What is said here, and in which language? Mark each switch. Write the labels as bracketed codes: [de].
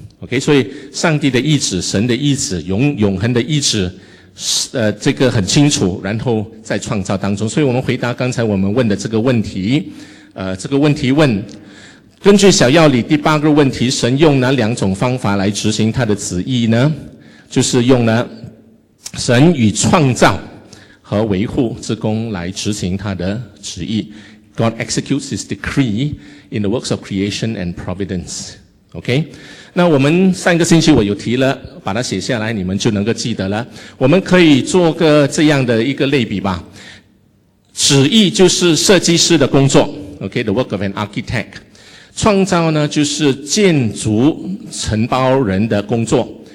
[zh] OK, 所以上帝的意志、神的意志、永恒的意志这个很清楚，然后在创造当中。所以我们回答刚才我们问的这个问题，这个问题问，根据小要理第八个问题，神用哪两种方法来执行他的旨意呢？就是用了神与创造和维护之功来执行他的旨意。 [en] God executes his decree in the works of creation and providence. OK? [zh] 那我们上个星期我有提了，把它写下来，你们就能够记得了。我们可以做个这样的一个类比吧。旨意就是设计师的工作。 [en] OK, the work of an architect. [zh] 创造呢就是建筑承包人的工作。